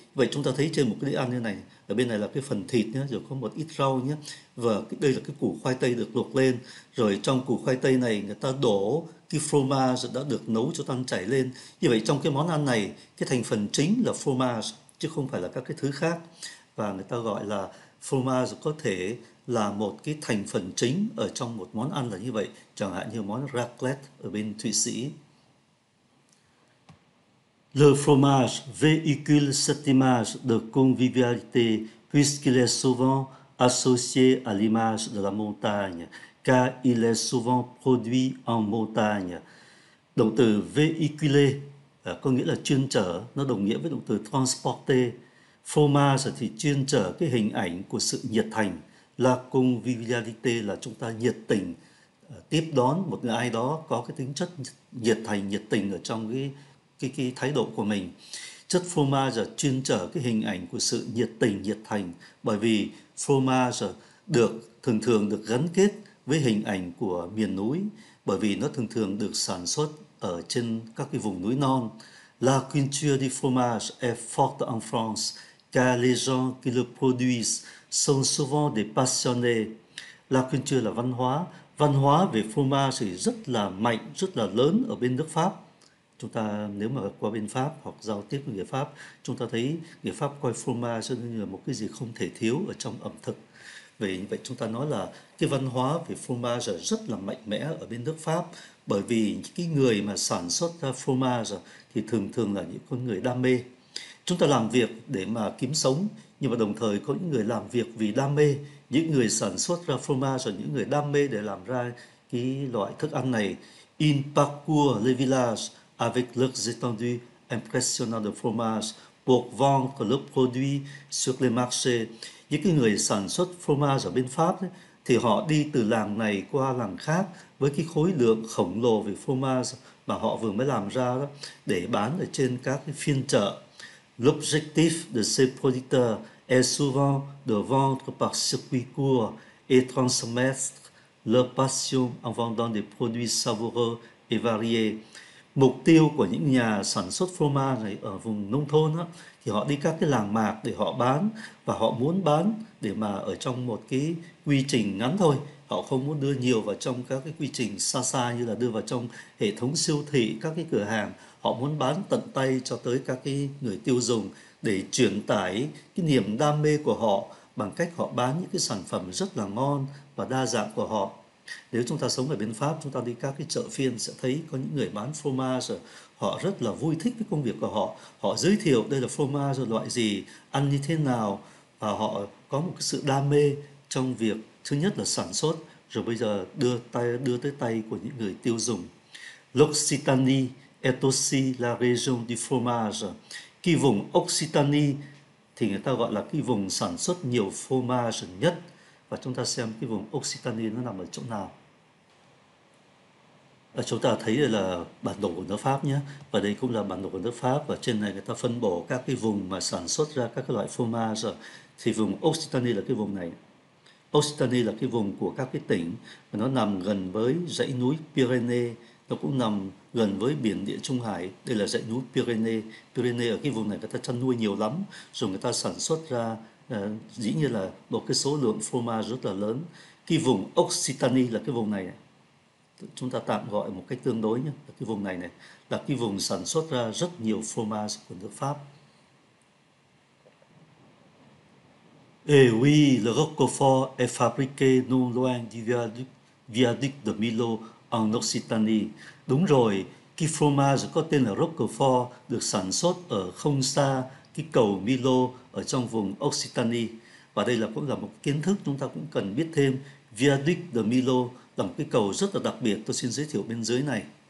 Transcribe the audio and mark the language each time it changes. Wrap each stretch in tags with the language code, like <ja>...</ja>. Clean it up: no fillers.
<vi>Vậy chúng ta thấy trên một cái đĩa ăn như này, ở bên này là cái phần thịt nhé, rồi có một ít rau nhé, và đây là cái củ khoai tây được luộc lên, rồi trong củ khoai tây này người ta đổ cái fromage đã được nấu cho tan chảy lên. Như vậy trong cái món ăn này cái thành phần chính là fromage chứ không phải là các cái thứ khác, và người ta gọi là fromage có thể là một cái thành phần chính ở trong một món ăn là như vậy, chẳng hạn như món raclette ở bên Thụy Sĩ.</vi> <fr>Le fromage véhicule cette image de convivialité puisqu'il est souvent associé à l'image de la montagne, car il est souvent produit en montagne.</fr> <vi>Động từ véhiculer có nghĩa là chuyên chở, nó đồng nghĩa với động từ transporter. Fromage thì chuyên chở cái hình ảnh của sự nhiệt thành. La convivialité là chúng ta nhiệt tình tiếp đón một người ai đó có cái tính chất nhiệt thành, nhiệt tình ở trong cái thái độ của mình. Chất fromage là chuyên chở cái hình ảnh của sự nhiệt tình, nhiệt thành, bởi vì fromage được thường thường được gắn kết với hình ảnh của miền núi, bởi vì nó thường thường được sản xuất ở trên các cái vùng núi non.</vi> <fr>La culture du fromage est forte en France, car les gens qui le produisent sont souvent des passionnés.</fr> <vi>La culture là văn hóa. Văn hóa về fromage thì rất là mạnh, rất là lớn ở bên nước Pháp. Chúng ta nếu mà qua bên Pháp hoặc giao tiếp với người Pháp, chúng ta thấy người Pháp coi fromage như là một cái gì không thể thiếu ở trong ẩm thực. Vì vậy chúng ta nói là cái văn hóa về fromage rất là mạnh mẽ ở bên nước Pháp, bởi vì cái người mà sản xuất ra fromage thì thường thường là những con người đam mê. Chúng ta làm việc để mà kiếm sống, nhưng mà đồng thời có những người làm việc vì đam mê, những người sản xuất ra fromage, những người đam mê để làm ra cái loại thức ăn này.</vi> <fr>Il parcourt les villages avec leurs étendues impressionnantes de fromage pour vendre leurs produits sur les marchés.</fr> <vi>Những cái người sản xuất fromage ở bên Pháp ấy, thì họ đi từ làng này qua làng khác với cái khối lượng khổng lồ về fromage mà họ vừa mới làm ra đó, để bán ở trên các cái phiên chợ.</vi> <fr>L'objectif de ces producteurs est souvent de vendre par circuit court et transmettre leur passion en vendant des produits savoureux et variés.</fr> <vi>Mục tiêu của những nhà sản xuất phô mai này ở vùng nông thôn đó, thì họ đi các cái làng mạc để họ bán, và họ muốn bán để mà ở trong một cái quy trình ngắn thôi. Họ không muốn đưa nhiều vào trong các cái quy trình xa xa như là đưa vào trong hệ thống siêu thị, các cái cửa hàng. Họ muốn bán tận tay cho tới các cái người tiêu dùng để truyền tải cái niềm đam mê của họ bằng cách họ bán những cái sản phẩm rất là ngon và đa dạng của họ. Nếu chúng ta sống ở bên Pháp, chúng ta đi các cái chợ phiên sẽ thấy có những người bán fromage, họ rất là vui thích với công việc của họ. Họ giới thiệu đây là fromage loại gì, ăn như thế nào, và họ có một cái sự đam mê trong việc thứ nhất là sản xuất, rồi bây giờ đưa tới tay của những người tiêu dùng.</vi> <fr>L'Occitanie est aussi la région du fromage.</fr> <vi>Cái vùng Occitanie thì người ta gọi là cái vùng sản xuất nhiều fromage nhất. Và chúng ta xem cái vùng Occitanie nó nằm ở chỗ nào. Và chúng ta thấy đây là bản đồ của nước Pháp nhé. Và đây cũng là bản đồ của nước Pháp. Và trên này người ta phân bổ các cái vùng mà sản xuất ra các cái loại fromage. Thì vùng Occitanie là cái vùng này. Occitanie là cái vùng của các cái tỉnh. Và nó nằm gần với dãy núi Pyrenees. Nó cũng nằm gần với biển Địa Trung Hải. Đây là dãy núi Pyrenees. Pyrenees ở cái vùng này người ta chăn nuôi nhiều lắm. Rồi người ta sản xuất ra, dĩ nhiên là một cái số lượng fromage rất là lớn. Cái vùng Occitanie là cái vùng này, chúng ta tạm gọi một cách tương đối nhé, là cái vùng này này là cái vùng sản xuất ra rất nhiều fromage của nước Pháp.</vi> <fr>Eh oui, le Roquefort est fabriqué non loin du viaduc de Millau en Occitanie.</fr> <vi>Đúng rồi, cái fromage có tên là Roquefort được sản xuất ở không xa cái cầu Milo ở trong vùng Occitanie. Và đây là cũng là một kiến thức chúng ta cũng cần biết thêm. Viaduc de Milo là một cái cầu rất là đặc biệt, tôi xin giới thiệu bên dưới này.</vi>